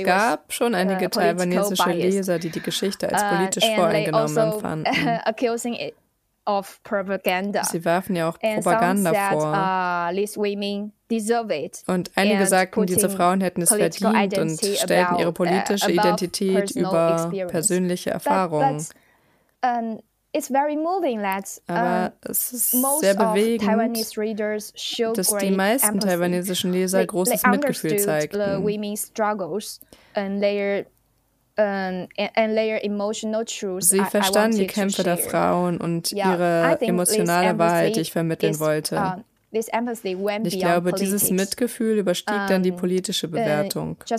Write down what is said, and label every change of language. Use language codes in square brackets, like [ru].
[de] es gab schon einige taiwanesische Leser, die die Geschichte als politisch voreingenommen empfanden. [en] Accusing it of propaganda. [de] Sie werfen ja auch Propaganda vor. [en] These women deserve it. [de] Und einige sagten, diese Frauen hätten es verdient und stellten ihre politische Identität über persönliche Erfahrungen. [en] It's very moving that Taiwanese readers show great empathy. [de] Dass die meisten taiwanesischen Leser großes Mitgefühl zeigten. [en] They understood the women's struggles and their emotional truths. [de] Sie verstanden die Kämpfe der Frauen und ihre emotionale Wahrheit, die ich vermitteln wollte. [en] This empathy went beyond [de] ich glaube, dieses Mitgefühl überstieg dann die politische Bewertung.